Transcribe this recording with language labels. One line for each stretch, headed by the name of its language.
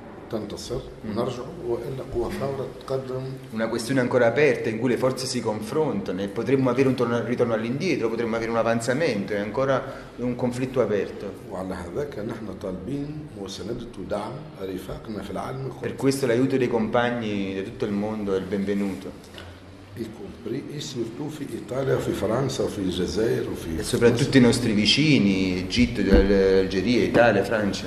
Arabic: تنتصر ونرجع وإلا قوى ثورة تقدم.
Italian: Una questione ancora aperta in cui le forze si confrontano e potremmo avere un ritorno all'indietro, potremmo avere un avanzamento, è ancora un conflitto aperto.
Arabic: وعلى هذاك نحن طالبين مساندة ودعم رفاقنا في العالم.
Italian: Per questo l'aiuto dei compagni di tutto il mondo è il benvenuto. E soprattutto i nostri vicini, Egitto, Algeria, Italia, Francia.